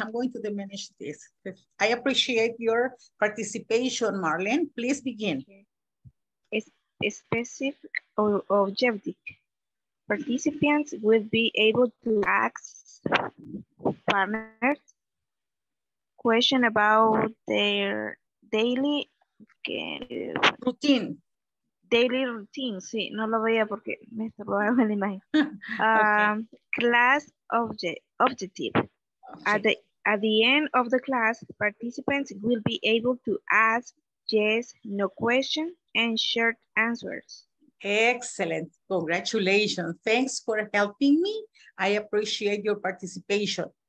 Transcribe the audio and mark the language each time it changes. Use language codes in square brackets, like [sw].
[en] I'm going to diminish this. I appreciate your participation, Marlene. Please begin. Specific or objective. Participants will be able to ask partners questions about their daily routine. Daily routine, [es] sí, no lo veía porque me está robando la imagen. [en] Class objective. At the end of the class, participants will be able to ask yes, no question, and short answers. Excellent. Congratulations. Thanks for helping me. I appreciate your participation.